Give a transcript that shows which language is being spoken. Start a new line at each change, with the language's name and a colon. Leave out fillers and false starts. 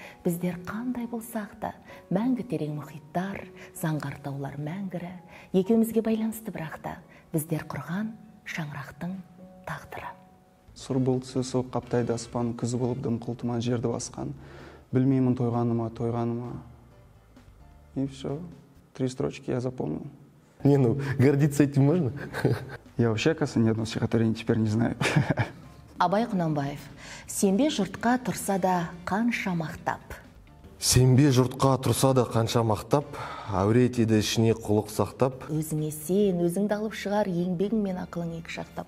Kazakh: Біздер қандай болсақ та, мәңгі терең мұхиттар, заңғар таулар мәңгірі. Екеумізге байланысты бірақ та, біздер құрған шаңырақтың тағдыры. Сұр болды сөз оқ қаптайды аспан, күз болып дымқыл тұман жерді басқан, білмеймін тойғаныма, тойғаныма.
Russian: И все. Три строчки я запомнил. Не, ну, гордиться этим можно? Я вообще, оказывается, ни одно стихотворение теперь не знаю.
Kazakh: Абай Құнанбаев. Сенбе жұртқа тұрса да қанша мақтап. Сенбе жұртқа тұрса да қанша мақтап, әуретеді ішіне құлық сақтап. Өзіңе сен, өзіңді алып шығар, еңбегің мен ақылың екі жақтап.